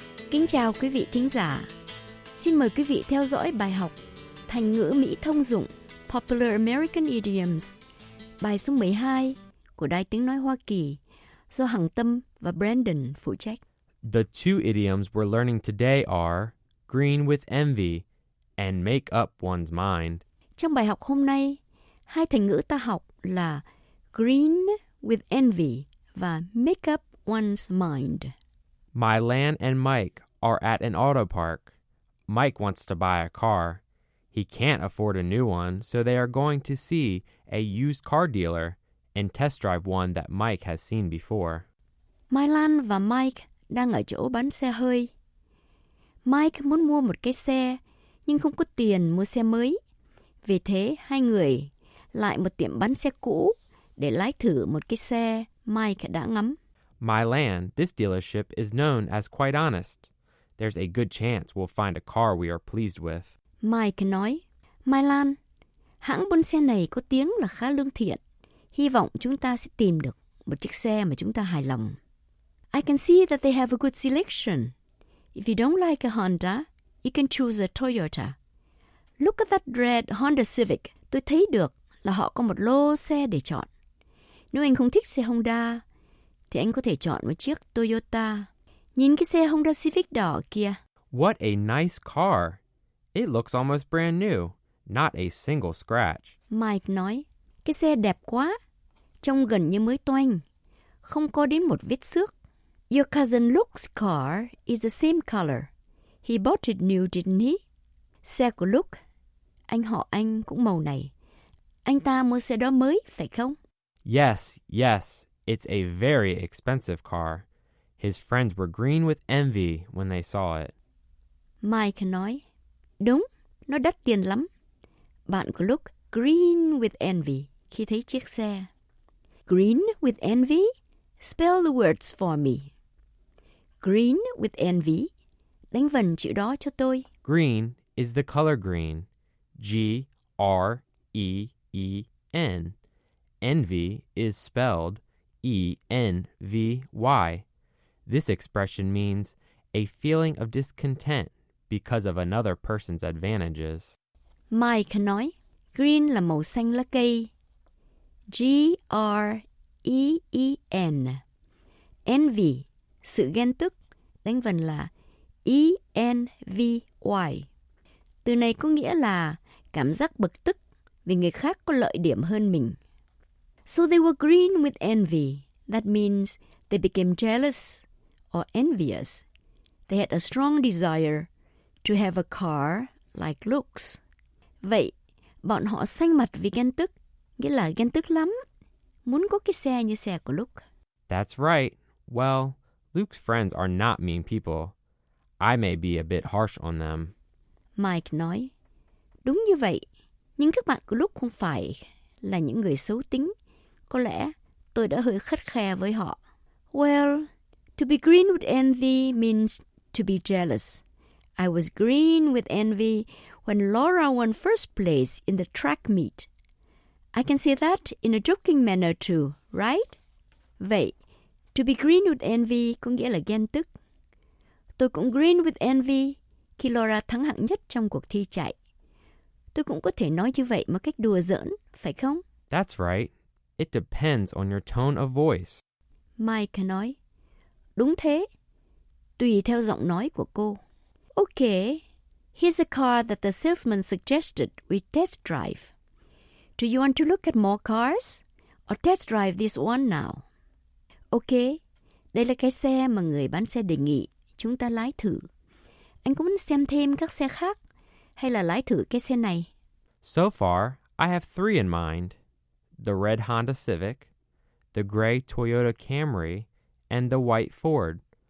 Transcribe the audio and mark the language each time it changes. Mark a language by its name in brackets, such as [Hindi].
[Vietnamese] Kính chào quý vị thính giả. Xin mời quý vị theo dõi bài học Thành ngữ Mỹ thông dụng [English] Popular American Idioms, [Vietnamese] bài số 12 của Đài Tiếng Nói Hoa Kỳ do Hằng Tâm và Brandon phụ trách. [English] The two idioms we're learning today are green with envy and make up one's mind. [Vietnamese] Trong bài học hôm nay, hai thành ngữ ta học là [English] green with envy [Vietnamese] và [English] make up one's mind. Mylan and Mike are at an auto park. Mike wants to buy a car. He can't afford a new one, so they are going to see a used car dealer and test drive one that Mike has seen before. [Vietnamese] Mylan và Mike đang ở chỗ bán xe hơi. Mike muốn mua một cái xe, nhưng không có tiền mua xe mới. Vì thế, hai người lại một tiệm bán xe cũ để lái thử một cái xe Mike đã ngắm. [English] Mylan, this dealership is known as quite honest. There's a good chance we'll find a car we are pleased with. [Vietnamese] Mike nói, Mylan, hãng buôn xe này có tiếng là khá lương thiện. Hy vọng chúng ta sẽ tìm được một chiếc xe mà chúng ta hài lòng. [English] I can see that they have a good selection. If you don't like a Honda, you can choose a Toyota. Look at that red Honda Civic. [Vietnamese] Tôi thấy được là họ có một lô xe để chọn. Nếu anh không thích xe Honda, thì anh có thể chọn một chiếc Toyota. Nhìn cái xe Honda Civic đỏ kia. [English] What a nice car. It looks almost brand new. Not a single scratch. [Vietnamese] Mike nói, cái xe đẹp quá. Trông gần như mới toanh. Không có đến một vết xước. [English] Your cousin Luke's car is the same color. He bought it new, didn't he? [Vietnamese] Xe của Luke, anh họ anh cũng màu này. Anh ta mua xe đó mới, phải không? [English] Yes, yes. It's a very expensive car. His friends were green with envy when they saw it. [Vietnamese] Mike nói, đúng, nó đắt tiền lắm. Bạn của Luke [English] green with envy [Vietnamese] khi thấy chiếc xe. [English] Green with envy? Spell the words for me. Green with envy. [Vietnamese] Đánh vần chữ đó cho tôi. [English] Green is the color green. G-R-E-E-N. Envy is spelled E-N-V-Y. This expression means a feeling of discontent because of another person's advantages. [Vietnamese] Mike nói, green là màu xanh lá cây. G-R-E-E-N. Envy, sự ghen tức, đánh vần là E-N-V-Y. Từ này có nghĩa là cảm giác bực tức vì người khác có lợi điểm hơn mình. [English] So they were green with envy. That means They became jealous or envious. They had a strong desire to have a car like Luke's. [Vietnamese] Vậy, bọn họ xanh mặt vì ghen tức, nghĩa là ghen tức lắm, muốn có cái xe như xe của Luke. [English] That's right. Well, Luke's friends are not mean people. I may be a bit harsh on them. [Vietnamese] Mike nói, đúng như vậy, nhưng các bạn của Luke không phải là những người xấu tính. Có lẽ tôi đã hơi khắt khe với họ. [English] Well, to be green with envy means to be jealous. I was green with envy when Laura won first place in the track meet. I can say that in a joking manner too, right? [Vietnamese] Vậy, [English] to be green with envy [Vietnamese] có nghĩa là ghen tức. Tôi cũng [English] green with envy [Vietnamese] khi Laura thắng hạng nhất trong cuộc thi chạy. Tôi cũng có thể nói như vậy một cách đùa giỡn, phải không? [English] That's right. It depends on your tone of voice. [Vietnamese] Mike nói, đúng thế, tùy theo giọng nói của cô. [English] Okay, here's a car that the salesman suggested we test drive. Do you want to look at more cars or test drive this one now? [Vietnamese] Okay, đây là cái xe mà người bán xe đề nghị chúng ta lái thử. Anh có muốn xem thêm các xe khác hay là lái thử cái xe này? [English] So far, I have three in mind. The red Honda Civic, the gray Toyota Camry, and the white Ford.